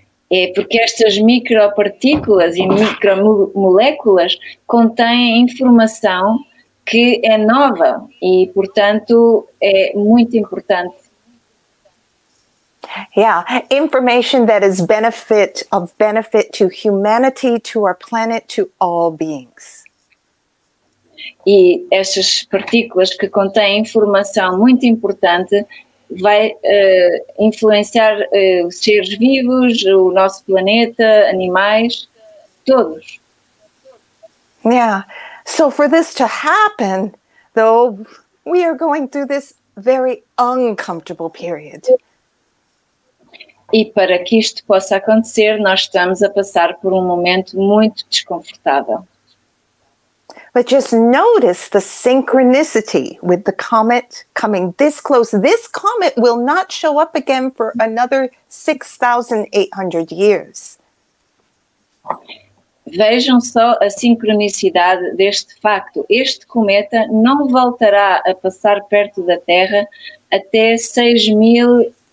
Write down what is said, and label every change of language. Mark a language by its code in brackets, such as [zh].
[pt] É porque estas micropartículas e micromoléculas contêm informação que é nova e, portanto, é muito importante. [en] Yeah, information that is benefit to humanity, to our planet, to all beings. [pt] E essas partículas que contêm informação muito importante vai influenciar os seres vivos, o nosso planeta, animais, todos. [en] Yeah. So for this to happen, though, we are going through this very uncomfortable period. [pt] E para que isto possa acontecer, nós estamos a passar por um momento muito desconfortável. [en] But just notice the synchronicity with the comet coming this close. This comet will not show up again for another 6,800 years. [pt] Vejam só a sincronicidade deste facto. Este cometa não voltará a passar perto da Terra até 6018?